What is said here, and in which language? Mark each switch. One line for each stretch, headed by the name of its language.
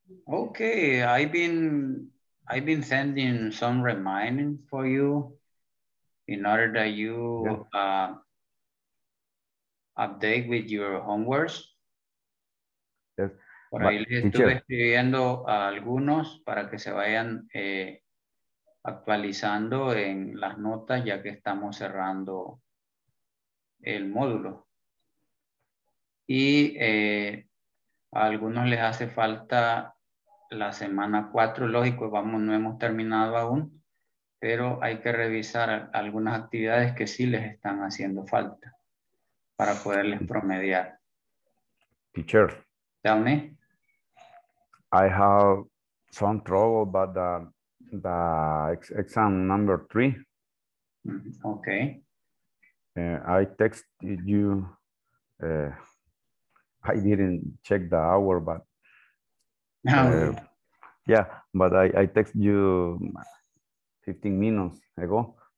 English: Okay, I've been sending some reminding for you in order that you update with your homeworks. Yes.
Spanish: Por ahí les estuve escribiendo a algunos para que se vayan actualizando en las notas, ya que estamos cerrando el módulo. Y a algunos les hace falta la semana 4, lógico, vamos, no hemos terminado aún, pero hay que revisar algunas actividades que sí les están haciendo falta para poderles promediar.
English: Teacher. Tell me. I have some trouble about the exam number 3. Okay. I texted you. I didn't check the hour, but I texted you 15 minutes ago.